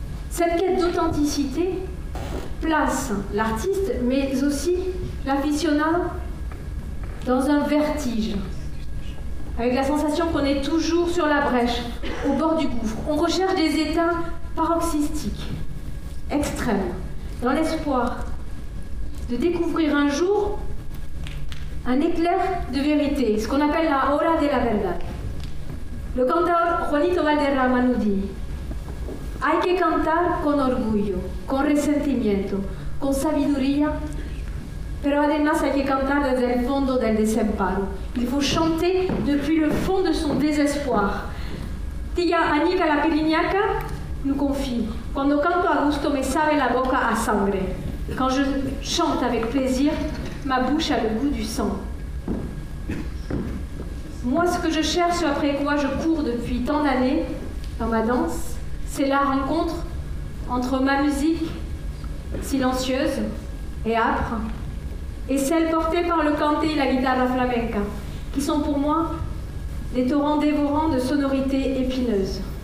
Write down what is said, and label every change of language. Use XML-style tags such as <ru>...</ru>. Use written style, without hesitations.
<fr>Cette quête d'authenticité place l'artiste, mais aussi l'aficionado, dans un vertige, avec la sensation qu'on est toujours sur la brèche, au bord du gouffre. On recherche des états paroxystiques, extrême, dans l'espoir de découvrir un jour un éclair de vérité, ce qu'on appelle</fr> <es>la hora de la verdad.</es> <fr>Le cantor Juanito Valderrama nous dit:</fr> <es>hay que cantar con orgullo, con resentimiento, con sabiduría, pero además hay que cantar desde el fondo del desamparo.</es> <fr>Il faut chanter depuis le fond de son désespoir.</fr> <es>Tía Anika La Pirignaca</es> <fr>nous confie:</fr> <es>cuando canto a gusto, me sabe la boca a sangre.</es> <fr>Quand je chante avec plaisir, ma bouche a le goût du sang. Moi, ce que je cherche, après quoi je cours depuis tant d'années dans ma danse, c'est la rencontre entre ma musique silencieuse et âpre et celle portée par le canté et la guitarra flamenca, qui sont pour moi des torrents dévorants de sonorités épineuses.</fr>